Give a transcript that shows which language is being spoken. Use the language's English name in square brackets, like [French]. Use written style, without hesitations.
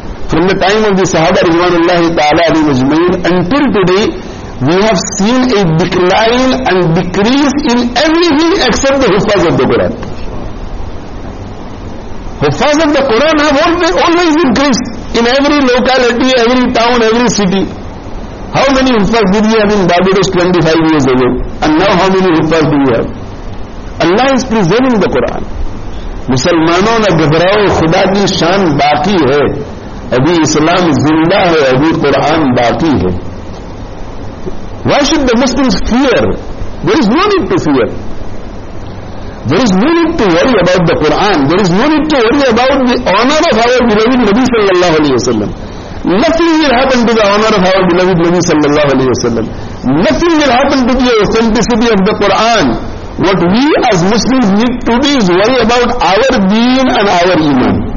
[English] From the time of the Sahaba Rizwanullahi ta'ala alayhi wa jameen until today, we have seen a decline and decrease in everything except the Huffaz of the Quran. Huffaz of the Quran have always increased in every locality, every town, every city. How many Hufas did he have in Barbados 25 years ago? And now how many Hufas do you have? Allah is preserving the Quran. [Urdu] مسلمانوں نے گھبراؤ خدا کی شان باقی ہے ابھی اسلام زندہ ہے ابھی قرآن باقی ہے [English] Why should the Muslims fear? There is no need to fear. There is no need to worry about the Quran. There is no need to worry about the honor of our beloved Nabi sallallahu alayhi wa sallam. Nothing will happen to the honor of our beloved Nabi sallallahu alayhi wa sallam. Nothing will happen to the authenticity of the Quran. What we as Muslims need to do is worry about our deen and our iman.